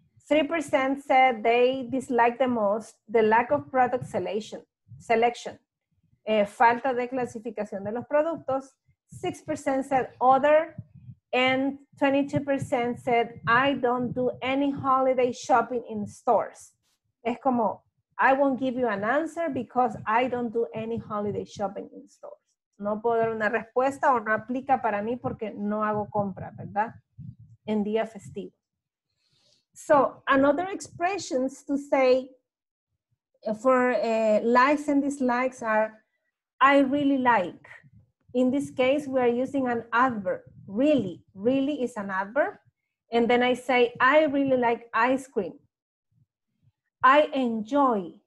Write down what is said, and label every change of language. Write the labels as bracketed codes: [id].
[en] 3% said they dislike the most the lack of product selection, [es] falta de clasificación de los productos. [en] 6% said other, and 22% said I don't do any holiday shopping in stores. [es] Es como, [en] I won't give you an answer because I don't do any holiday shopping in stores. [es] No puedo dar una respuesta o no aplica para mí porque no hago compra, ¿verdad? En día festivo. [en] So another expressions to say for likes and dislikes are, I really like. In this case, we are using an adverb, really. Really is an adverb. And then I say, I really like ice cream. I enjoy.